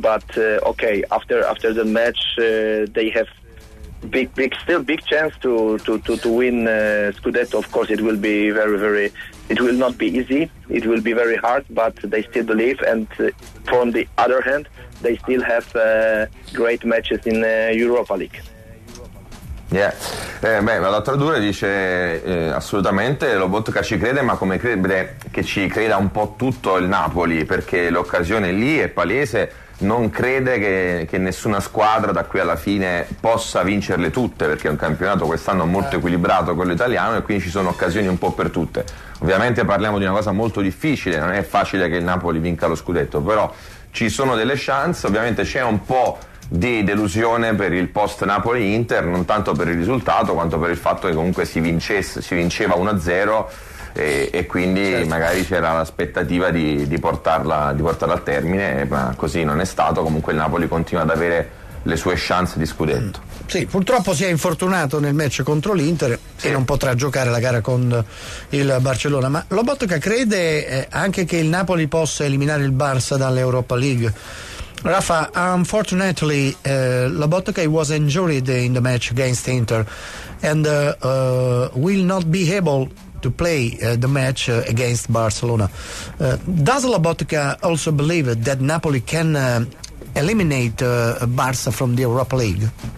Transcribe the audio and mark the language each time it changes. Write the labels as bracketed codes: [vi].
[en] But okay, after the match, they have big chance to win Scudetto. Of course, it will be very. It will not be easy. It will be very hard, but they still believe. And from the other hand, they still have great matches in Europa League. Yeah. [it] Beh, vado a tradurre, dice assolutamente Lobotka ci crede, ma come crede che ci creda un po' tutto il Napoli, perché l'occasione è lì, è palese. Non crede che nessuna squadra da qui alla fine possa vincerle tutte, perché è un campionato quest'anno molto equilibrato quello italiano, e quindi ci sono occasioni un po' per tutte. Ovviamente parliamo di una cosa molto difficile, non è facile che il Napoli vinca lo scudetto, però ci sono delle chance. Ovviamente c'è un po' di delusione per il post Napoli-Inter, non tanto per il risultato quanto per il fatto che comunque si vinceva 1-0 e quindi certo, magari c'era l'aspettativa di portarla al termine, ma così non è stato. Comunque il Napoli continua ad avere le sue chance di scudetto. Sì, purtroppo si è infortunato nel match contro l'Inter, sì, e non potrà giocare la gara con il Barcellona. Ma Lobotka crede anche che il Napoli possa eliminare il Barça dall'Europa League? [en] Rafa, unfortunately, Lobotka was injured in the match against Inter and will not be able to play the match against Barcelona. Does Lobotka also believe that Napoli can eliminate Barca from the Europa League?